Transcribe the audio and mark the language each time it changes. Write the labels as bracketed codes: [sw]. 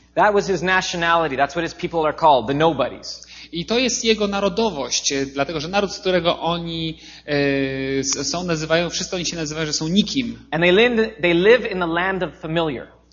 [en] That was his nationality. That's what his people are called, the nobodies. [pl] I to jest jego narodowość, dlatego że naród, z którego oni są, nazywają, wszyscy oni się nazywają, że są nikim. [en] And they live in the land of familiar.